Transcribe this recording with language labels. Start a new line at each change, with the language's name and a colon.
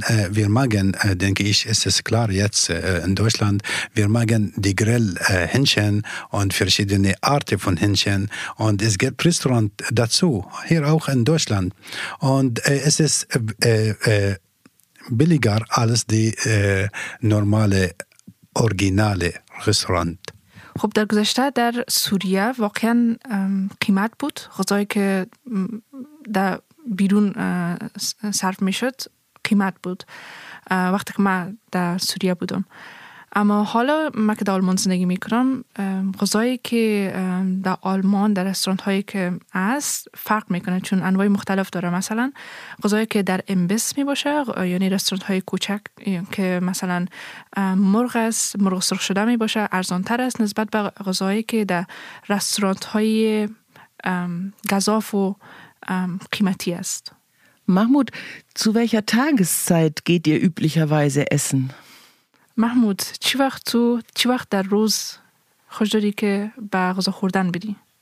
German: Wir magen, denke ich, ist es klar jetzt in Deutschland, wir magen die Grillhähnchen und verschiedene Arten von Hähnchen. Und es gibt Restaurants dazu, hier auch in Deutschland. Und es ist billiger als die normale, originale Restaurant.
Persian: خب در گذشته در سوریه واقعا قیمت بود غذایی که در بیرون صرف می شد قیمت بود وقتی که من در سوریه بودم. اما حالا من که در آلمان زندگی می کنم غذایی که در آلمان در رستوران هایی که هست فرق می کنه چون انواع مختلف داره. مثلا غذایی که در امبس می باشه یعنی رستوران های کوچک که مثلا مرغ است، مرغ سرخ شده می باشه، ارزان تر است نسبت به غذایی که در رستوران های گزاف و قیمتی است. محمود،
German: zu welcher Tageszeit geht ihr üblicherweise essen؟
Persian: محمود، چی وقت در روز خوش داری که به غذا خوردن بری؟